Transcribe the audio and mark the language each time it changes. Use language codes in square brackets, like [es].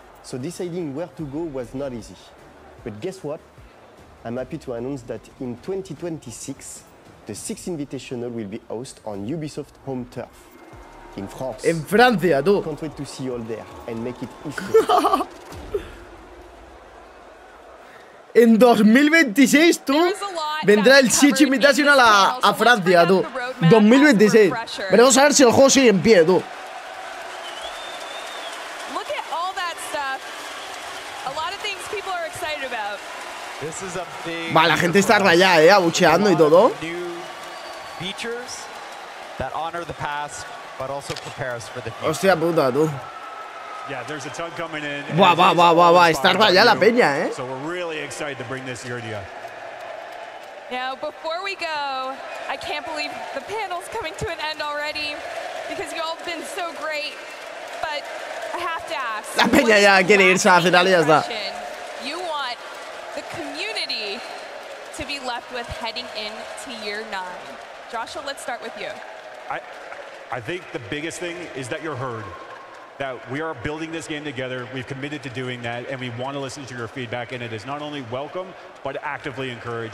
[en] So deciding where to go was not easy. But guess what? I'm happy to announce that in 2026, the Sixth Invitational will be hosted on Ubisoft home turf in France. [es] En Francia, tú. [en] Can't wait to see you all there and make it easy. [es] En 2026, tú, vendrá el Siege Invitational a Francia, tú. 2026. Veremos a ver si el juego sigue en pie, tú. [en] Look at all that stuff. A lot of things people are excited about. This is a big. [es] Va, la gente está rayada, abucheando y todo. [en] New features that honor the past, but also prepare us for the future. [es] Hostia puta, tú. [en] Yeah, there's a ton coming in. [es] Buah, buah, buah, buah, buah. Está rayada la peña, eh. [en] So we're really excited to bring this year to you. Now, before we go, I can't believe the panel's coming to an end already because you all have been so great. But I have to ask. [es] La peña ya quiere irse a la final y ya está. [en] You want the community to be left with heading into year 9. Joshua, let's start with you. I think the biggest thing is that you're heard. That we are building this game together, we've committed to doing that, and we want to listen to your feedback, and it is not only welcome, but actively encouraged.